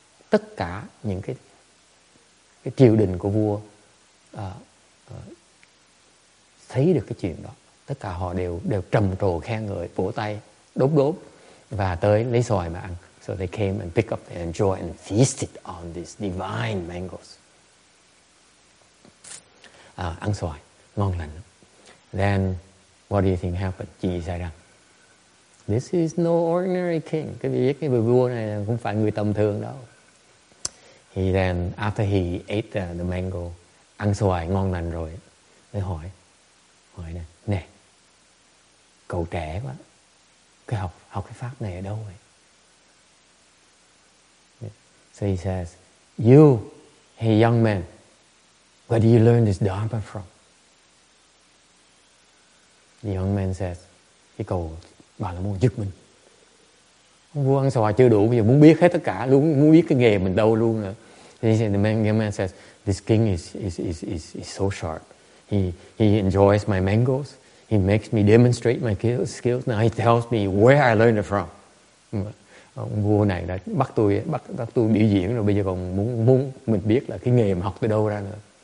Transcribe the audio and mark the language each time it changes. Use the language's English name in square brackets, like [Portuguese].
[Vietnamese] Tất cả những cái triều đình của vua thấy được cái chuyện đó, tất cả họ đều trầm trồ khen ngợi, vỗ tay đốp và tới lấy xoài mà ăn. [English] So they came and pick up and enjoy and feasted on these divine mangoes. [Vietnamese] Ăn xoài ngon lành. [English] Then what do you think happened? [Vietnamese] Chị xảy ra, [English] this is no ordinary king. [Vietnamese] Cái việc cái vua này không phải người tầm thường đâu. [English] He then, after he ate the mango, [Vietnamese] ăn xoài ngon lành rồi, mới hỏi này, nè, cậu trẻ quá, cái học cái pháp này ở đâu vậy? [English] So he says, you, hey young man, where do you learn this dharma from? The young man says, [Vietnamese] cái cậu bà là muốn giật mình. Ông vua ăn xoài chưa đủ, bây giờ muốn biết hết tất cả luôn, muốn biết cái nghề mình đâu luôn nữa. [English] The man says, this king is so sharp. He enjoys my mangoes. He makes me demonstrate my skills. Now he tells me where I learned it from. [Vietnamese] Ông vua này đã bắt tôi biểu diễn rồi, bây giờ còn muốn mình biết là cái nghề mà học từ đâu ra nữa.